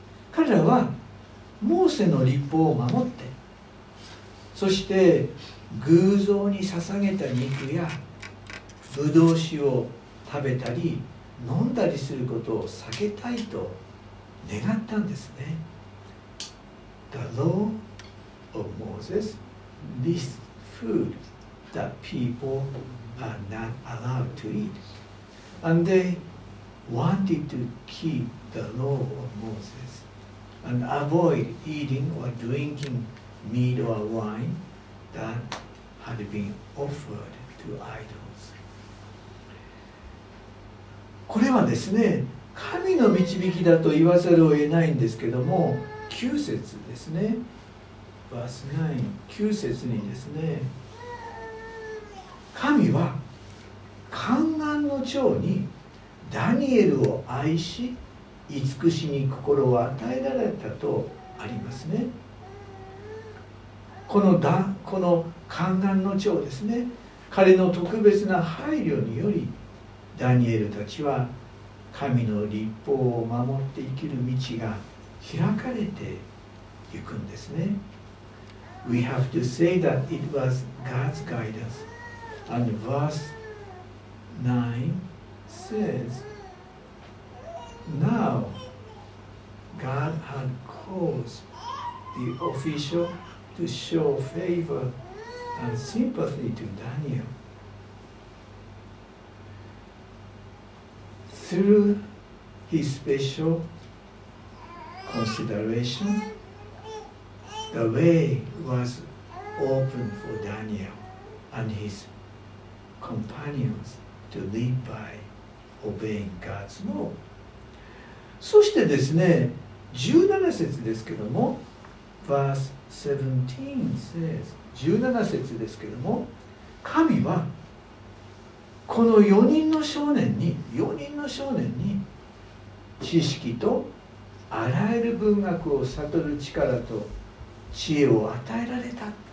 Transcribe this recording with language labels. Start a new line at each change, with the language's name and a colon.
Japanese: 彼らはモーセの律法を守って、そして偶像に捧げた肉やぶどう酒を食べたり飲んだりすることを避けたいと願ったんですね。
English: The law of Moses lists food that people are not allowed to eat, and they wanted to keep the law of Moses. And avoid eating or drinking meat or wine that had been offered to idols.
Japanese: これはですね、神の導きだと言わざるを得ないんですけども、9節ですね。
English: Verse 9,
Japanese: 9節にですね、神は宦官の長にダニエルを愛し、慈しみ心を与えられたとありますね。この宦官の長ですね、彼の特別な配慮によりダニエルたちは神の律法を守って生きる道が開かれていくんですね。
English: We have to say that it was God's guidance. And verse 9 saysNow, God had caused the official to show favor and sympathy to Daniel. through His special consideration, the way was open for Daniel and his companions to live by obeying God's law.
Japanese: そしてですね、17節ですけども、
English: verse 17 says、
Japanese: 17節ですけども、神はこの4人の少年に、4人の少年に、知識とあらゆる文学を悟る力と知恵を与えられた。